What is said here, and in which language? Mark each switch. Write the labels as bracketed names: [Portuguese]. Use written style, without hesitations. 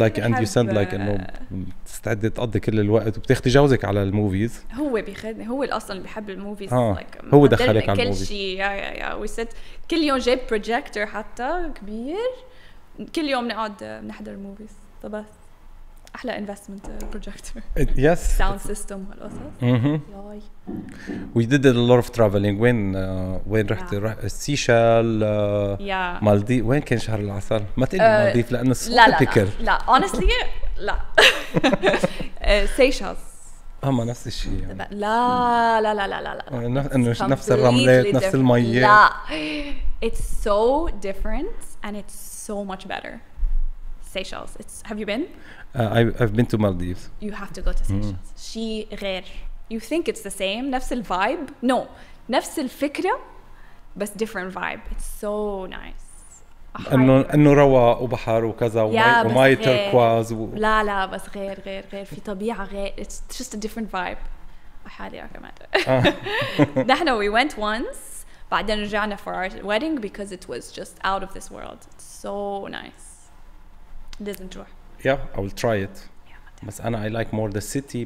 [English] like and you sound like [Arabic] إنه تستعد تقضي كل الوقت وبتاخدي جوزك على الموفيز. هو بيخدني، هو أصلاً بيحب الموفيز. like هو دخلك على الموفيز. كل شيء. وست كل يوم جيب بروجيكتور حتى كبير، كل يوم نقعد نحضر الموفيز. طب أحلى investment بروجيكتور. [English] yes. sound system والأساس. we did a lot of traveling. [Arabic] وين رحت؟ yeah. السيشال. [English] yeah. [Arabic] مالدي. وين كان شهر العسل؟ ما تقولي مالديف لأنه لا لا لا لا honestly لا سيشالز هما نفس الشيء يعني. لا لا لا لا لا لا إنه نفس الرملات نفس المية. [English] لا it's so different and it's so much better Seychelles. Have you been? I've been to Maldives. You have to go to Seychelles. She غير. You think it's the same? [Arabic] نفس ال [English] vibe? No. [Arabic] نفس الفكرة, [English] but different vibe. It's so nice. [Arabic] إنه رواء وبحر وكذا وماي تركواز. لا لا بس غير غير غير في طبيعة غير. [English] It's just a different vibe. I highly recommend it. نحن we went once. بعدين رجعنا for our wedding because it was just out of this world. It's so nice. [Arabic] لازم تروح. [English] Yeah, I will try it. Yeah, [Arabic] بس أنا [English] I like more the city.